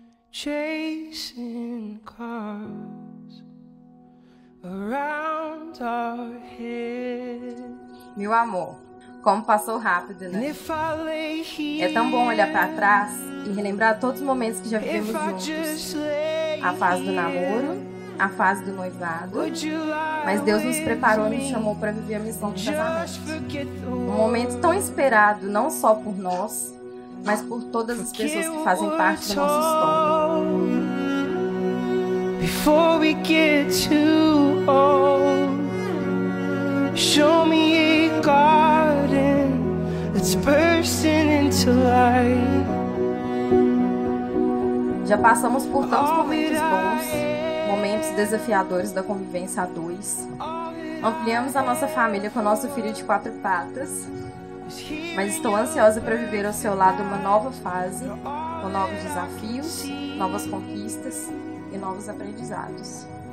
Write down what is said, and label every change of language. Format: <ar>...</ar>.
<en>Chasing cars around our heads.</en> <pt>Meu amor, como passou rápido, né? É tão bom olhar pra trás e relembrar todos os momentos que já vivemos juntos. A fase do namoro, a fase do noivado. Mas Deus nos preparou e nos chamou pra viver a missão do casamento. Um momento tão esperado, não só por nós, mas por todas as pessoas que fazem parte da nossa história.</pt> <en>Before we get too old, show me a garden that's bursting into life.</en> <pt>Já passamos por tantos momentos bons, momentos desafiadores da convivência a dois. Ampliamos a nossa família com o nosso filho de quatro patas. Mas estou ansiosa para viver ao seu lado uma nova fase, com novos desafios, novas conquistas e novos aprendizados.</pt>